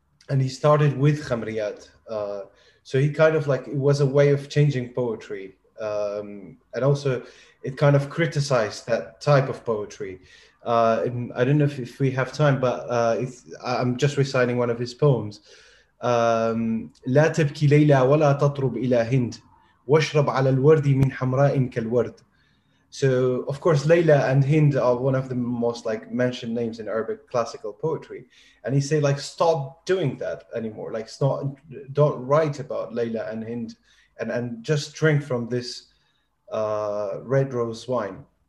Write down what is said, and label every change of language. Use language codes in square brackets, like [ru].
[en] And he started with Khamriyat. So he kind of like, it was a way of changing poetry. And also it kind of criticized that type of poetry. I don't know if we have time, but I'm just reciting one of his poems. [ar] لا تبكي ليلى ولا تطرب إلى هند واشرب على الورد من حمراء كالورد. [en] So of course, Layla and Hind are one of the most like mentioned names in Arabic classical poetry. And he say like, stop doing that anymore. Like, stop, don't write about Layla and Hind and just drink from this red rose wine.